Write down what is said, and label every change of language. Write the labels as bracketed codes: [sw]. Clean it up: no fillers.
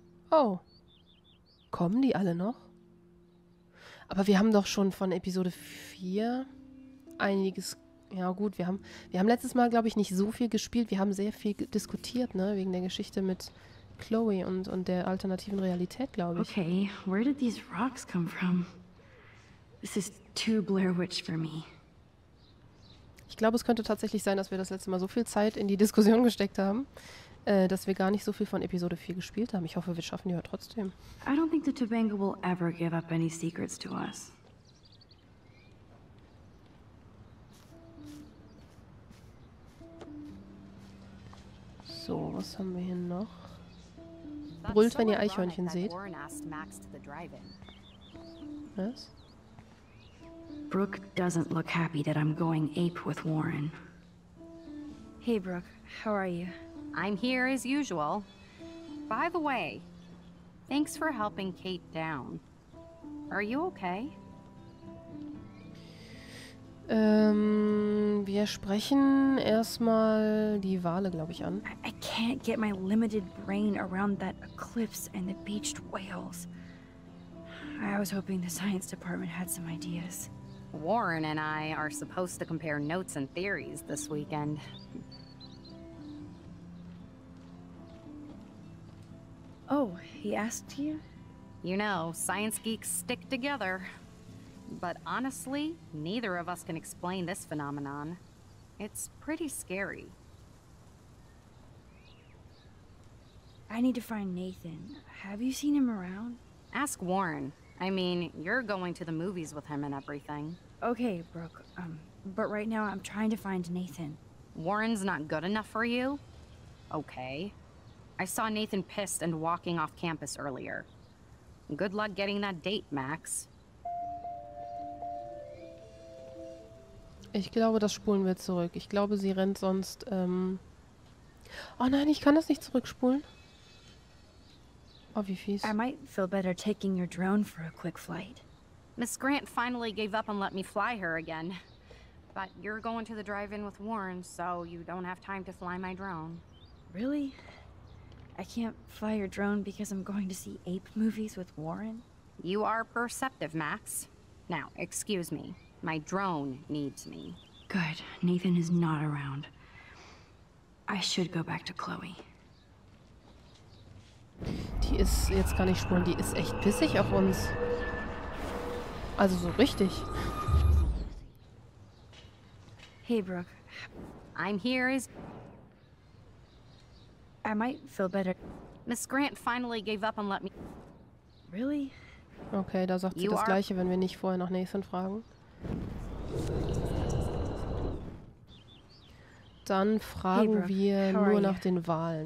[de] Oh. Kommen die alle noch? Aber wir haben doch schon von Episode 4 einiges... Ja gut, wir haben letztes Mal, glaube ich, nicht so viel gespielt. Wir haben sehr viel diskutiert, ne? Wegen der Geschichte mit Chloe und der alternativen Realität, glaube ich. [en] Okay, where did these rocks come from? This is too Blair Witch for me. [de] Ich glaube, es könnte tatsächlich sein, dass wir das letzte Mal so viel Zeit in die Diskussion gesteckt haben, dass wir gar nicht so viel von Episode 4 gespielt haben. Ich hoffe, wir schaffen die heute trotzdem. [en] I don't think the Tobanga will ever give up any secrets to us. [de] So, was haben wir hier noch? Brüllt, wenn ihr Eichhörnchen seht. Was? [en] Brooke doesn't look happy that I'm going ape with Warren. Hey, Brooke. How are you? I'm here as usual. By the way, thanks for helping Kate down. Are you okay? [de] Wir sprechen erstmal die Wale, glaube ich, an. [en] I can't get my limited brain around that eclipse and the beached whales. I was hoping the science department had some ideas. Warren and I are supposed to compare notes and theories this weekend. Oh, he asked you? You know, science geeks stick together. But honestly, neither of us can explain this phenomenon. It's pretty scary. I need to find Nathan. Have you seen him around? Ask Warren. I mean, you're going to the movies with him and everything. Okay, Brooke, but right now I'm trying to find Nathan. Warren's not good enough for you? Okay. I saw Nathan pissed and walking off campus earlier. Good luck getting that date, Max. [de] Ich glaube, das spulen wir zurück. Ich glaube, sie rennt sonst, Oh nein, ich kann das nicht zurückspulen. Oh, wie fies. [en] I might feel better taking your drone for a quick flight. Miss Grant finally gave up and let me fly her again. But you're going to the drive-in with Warren, so you don't have time to fly my drone. Really? I can't fly your drone because I'm going to see ape movies with Warren? You are perceptive, Max. Now, excuse me. My drone needs me. Good. Nathan is not around. I should go back to Chloe. [de] Die ist, jetzt kann ich spulen, die ist echt pissig auf uns. Also so richtig. [en] Hey, Brooke. I'm here as... I might feel better. Miss Grant finally gave up and let me... Really? [de] Okay, da sagt sie das Gleiche, wenn wir nicht vorher nach Nathan fragen. Dann fragen wir nur nach den Wahlen.